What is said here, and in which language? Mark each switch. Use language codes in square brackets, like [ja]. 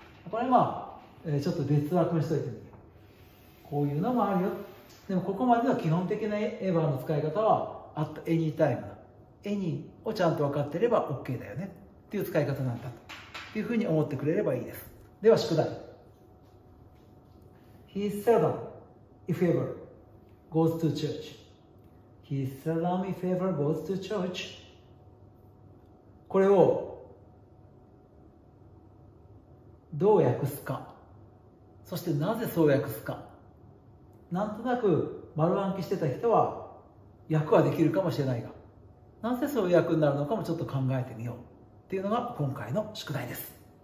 [ja] これは、ちょっと別枠にしといてみよう。こういうのもあるよ。でもここまでの基本的なエヴァの使い方は、 at any time だ。 any をちゃんと分かっていれば OK だよね。っていう使い方なんだ。というふうに思ってくれればいいです。では宿題。 [en] He seldom, if ever, goes to church. He seldom, if ever, goes to church. [ja] これを、どう訳すか、そしてなぜそう訳すか、なんとなく丸暗記してた人は訳はできるかもしれないが、なぜそういう訳になるのかもちょっと考えてみようっていうのが今回の宿題です。